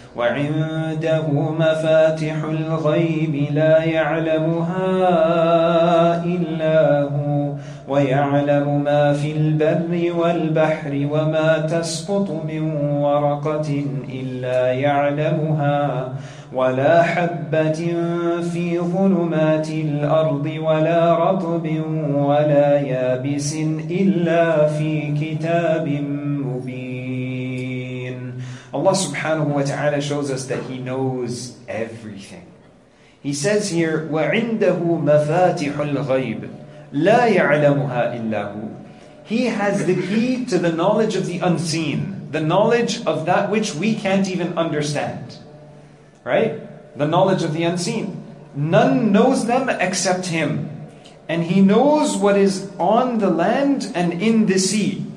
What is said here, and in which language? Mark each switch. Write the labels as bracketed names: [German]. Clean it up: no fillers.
[Arabic] وَعِنْدَهُ مَفَاتِحُ الْغَيْبِ لَا يَعْلَمُهَا إِلَّا هُوَ وَيَعْلَمُ مَا فِي الْبَرِّ وَالْبَحْرِ وَمَا تَسْقُطُ مِنْ وَرَقَةٍ إِلَّا يَعْلَمُهَا وَلَا حَبَّةٍ فِي ظُلُمَاتِ الْأَرْضِ وَلَا رَطْبٍ وَلَا يَابِسٍ إِلَّا فِي كِتَابٍ مُبِينٍ. [English] Allah subhanahu wa ta'ala shows us that He knows everything. He says here, [Arabic] وَعِنْدَهُ مَفَاتِحُ الْغَيْبِ لَا يَعْلَمُهَا إِلَّهُ. [English] He has the key to the knowledge of the unseen, the knowledge of that which we can't even understand. Right? The knowledge of the unseen. None knows them except Him. And He knows what is on the land and in the sea.